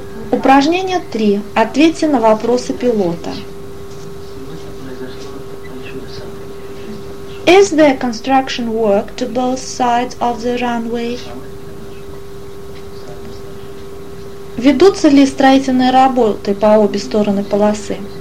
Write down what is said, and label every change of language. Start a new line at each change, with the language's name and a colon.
Russian: Упражнение 3. Ответьте на вопросы пилота.
English: Is there construction work to both sides of the runway?
Russian: Ведутся ли строительные работы по обе стороны полосы?